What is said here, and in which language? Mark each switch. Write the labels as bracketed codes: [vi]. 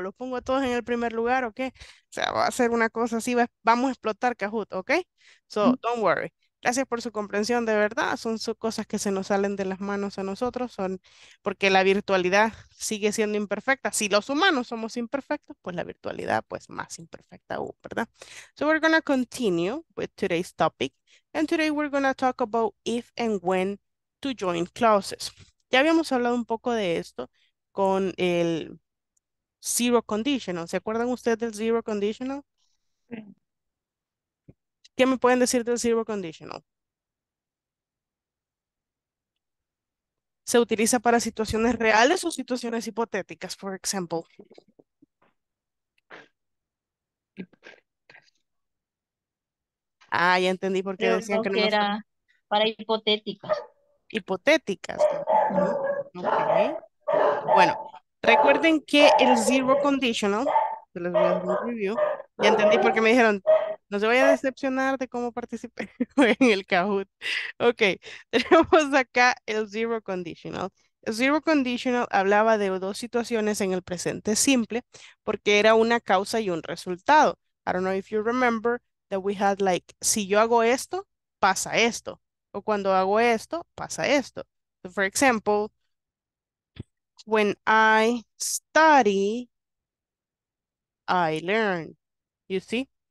[es] ¿Los pongo a todos en el primer lugar o qué? O sea, va a ser una cosa así, vamos a explotar Kahoot, ¿ok? [en] So, don't worry. [es] Gracias por su comprensión, de verdad, son cosas que se nos salen de las manos a nosotros, son porque la virtualidad sigue siendo imperfecta. Si los humanos somos imperfectos, pues la virtualidad, pues más imperfecta aún, ¿verdad? [en] So we're going to continue with today's topic, and today we're going to talk about if and when to join clauses. [es] Ya habíamos hablado un poco de esto con el zero conditional. ¿Se acuerdan ustedes del zero conditional? Sí. ¿Qué me pueden decir del zero conditional? ¿Se utiliza para situaciones reales o situaciones hipotéticas, por ejemplo? Ah, ya entendí por qué Creo decían que no era para hipotéticas. Hipotéticas. Okay. Bueno, recuerden que el zero conditional, se les voy a dar un review, ya entendí por qué me dijeron. No se vaya a decepcionar de cómo participé en el Kahoot. Ok, tenemos acá el zero conditional. El zero conditional hablaba de dos situaciones en el presente simple porque era una causa y un resultado. [en] I don't know if you remember that we had like, [es] si yo hago esto, pasa esto. O cuando hago esto, pasa esto. [en] So for example, when I study, I learn. You see?